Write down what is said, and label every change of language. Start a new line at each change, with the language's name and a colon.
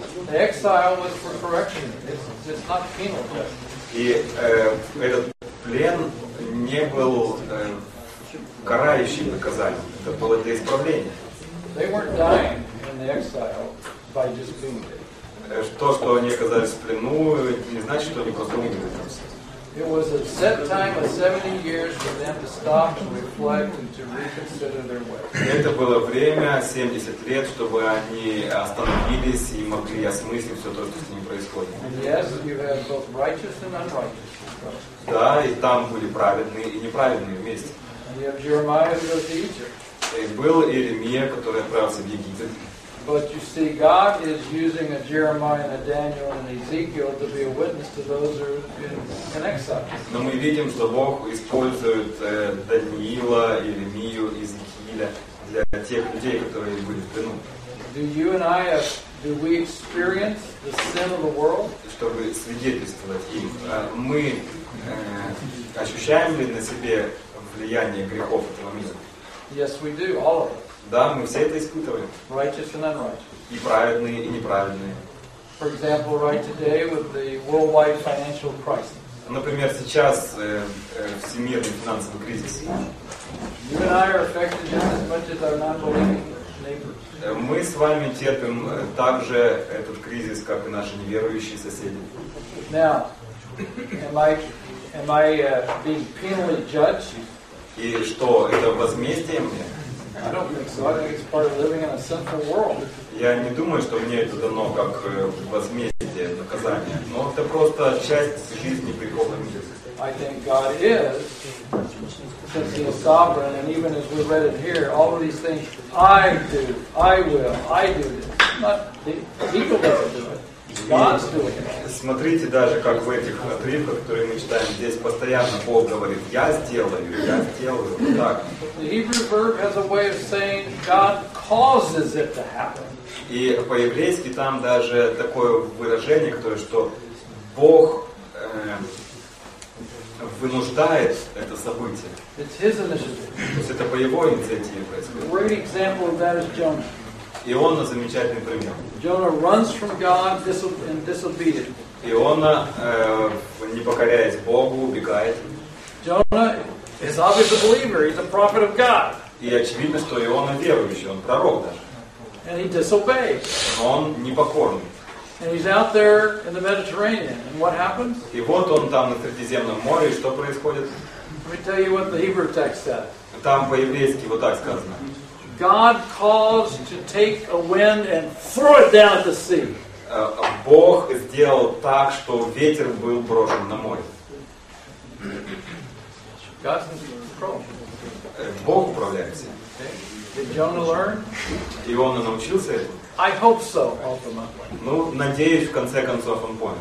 English: The exile was for correction. It's not penal.
Russian: И этот плен не был карающим наказанием. Это было для исправления.
English: They weren't dying in the exile by just being there.
Russian: То, что они оказались в плену, не значит, что они просто умерли там.
English: It was a set time of 70 years for them to stop and reflect and to reconsider their way.
Russian: Это было время 70 лет, чтобы они остановились и могли осмыслить все то, что с ними происходит.
English: And yes, you have both righteous and unrighteous.
Russian: Да, и там были праведные и неправедные вместе.
English: And you have Jeremiah who goes to Egypt.
Russian: И был Иеремия, который отправился в Египет.
English: But you see, God is using a Jeremiah and a Daniel and Ezekiel to be a witness to those who are in exile.
Russian: Но мы видим, что Бог использует Даниила, Иеремию, Иезекииля для тех людей, которые были в плену.
English: Do you and I do we experience the sin of the world?
Russian: Чтобы свидетельствовать им, мы ощущаем ли на себе влияние грехов этого мира?
English: Yes, we do, all of us.
Russian: Да, мы все это испытываем.
English: Righteous and unrighteous.
Russian: И праведные, и неправедные.
English: For example, right today with the worldwide financial crisis.
Russian: Например, сейчас всемирный финансовый кризис.
English: You and I are affected just as much as our non-believing neighbors.
Russian: Мы с вами терпим также этот кризис, как и наши неверующие соседи.
English: Now, am I being penally judged?
Russian: И что, это возмездие мне?
English: I don't think so. I think it's part of living in a sinful world.
Russian: Я не думаю, что мне это дано как возмездие, наказание. Но это просто часть жизни греховной.
English: I think God is, since He is sovereign, and even as we read it here, all of these things I do, I will, I do this. Not people doesn't do it.
Russian: Смотрите даже, как в этих отрывках, которые мы читаем здесь, постоянно Бог говорит, я сделаю, вот так.
English: The Hebrew verb has a way of saying God causes it to happen.
Russian: И по-еврейски там даже такое выражение, которое, что Бог вынуждает это событие.
English: It's His initiative.
Russian: То есть это по Его инициативе происходит.
English: Great example of that is Jonah.
Russian: Иона замечательный пример.
English: Jonah runs from God and disobedient.
Russian: Иона, не покоряясь Богу, убегает.
English: Jonah is obviously a believer. He's a prophet of God.
Russian: И очевидно, что Иона верующий, он пророк даже.
English: And he disobeys.
Russian: Он непокорный.
English: And he's out there in the Mediterranean. And what happens?
Russian: И вот он там на Средиземном море, и что происходит?
English: Let me tell you what the Hebrew text says.
Russian: Там по-еврейски вот так сказано.
English: God calls to take a wind and throw it down to sea.
Russian: Бог сделал так, что ветер был брошен на море.
English: God's in control.
Russian: Бог управляет всем.
English: Did Jonah learn?
Russian: И он научился этому?
English: I hope so, ultimately.
Russian: Ну, надеюсь, в конце концов он понял.